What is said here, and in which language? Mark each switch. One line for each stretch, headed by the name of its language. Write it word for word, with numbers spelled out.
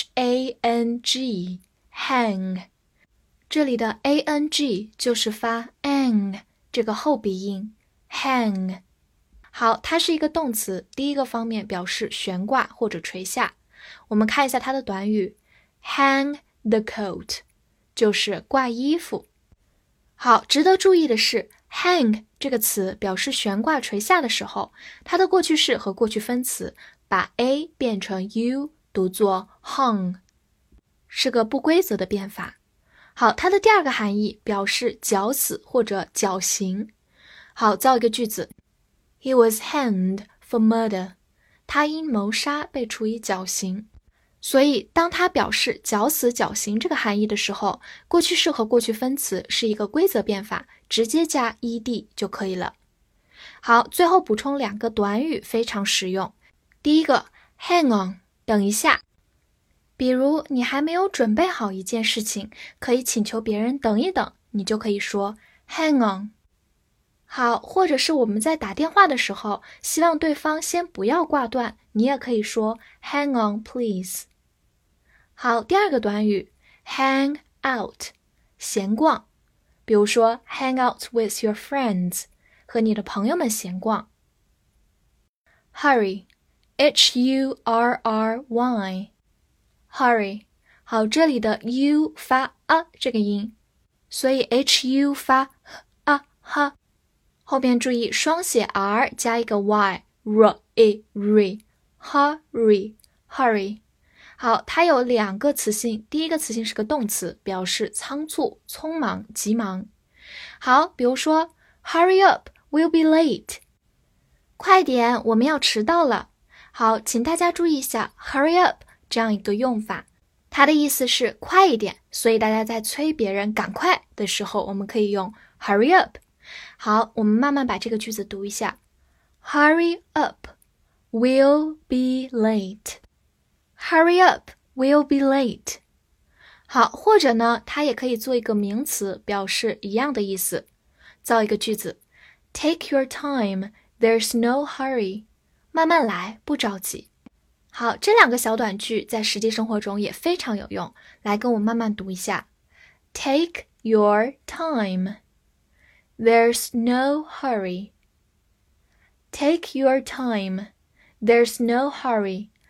Chinese: hang，H A N G hang， 这里的 A N G 就是发 ang 这个后鼻音 hang。好，它是一个动词，第一个方面表示悬挂或者垂下。我们看一下它的短语
English: hang the coat，
Chinese: 就是挂衣服。好，值得注意的是 hang 这个词表示悬挂垂下的时候，它的过去式和过去分词把 a 变成 u， 读作 hung， 是个不规则的变法。好，它的第二个含义表示绞死或者绞刑。好，造一个句子。
English: He was hanged for murder.
Chinese: 他因谋杀被处以绞刑。所以，当他表示绞死、绞刑这个含义的时候，过去式和过去分词是一个规则变法，直接加 ed 就可以了。好，最后补充两个短语非常实用。第一个 hang on， 等一下。比如你还没有准备好一件事情，可以请求别人等一等，你就可以说 hang on。好，或者是我们在打电话的时候，希望对方先不要挂断，你也可以说
English: hang on please。
Chinese: 好，第二个短语 hang out， 闲逛，比如说
English: hang out with your friends，
Chinese: 和你的朋友们闲逛。
English: hurry， H U R R Y， hurry。
Chinese: 好，这里的 u 发 a 这个音，所以 hu 发 a h，后面注意双写 r 加一个 y， r e r hurry hurry。好，它有两个词性，第一个词性是个动词，表示仓促、匆忙、急忙。好，比如说
English: hurry up, we'll be late，
Chinese: 快点，我们要迟到了。好，请大家注意一下 hurry up 这样一个用法，它的意思是快一点，所以大家在催别人赶快的时候，我们可以用 hurry up。好，我们慢慢把这个句子读一下。
English: Hurry up, we'll be late. Hurry up, we'll be late.
Chinese: 好，或者呢，它也可以做一个名词，表示一样的意思。造一个句子。
English: Take your time, there's no hurry.
Chinese: 慢慢来，不着急。好，这两个小短句在实际生活中也非常有用，来跟我慢慢读一下。
English: Take your time. There's no hurry. Take your time. There's no hurry.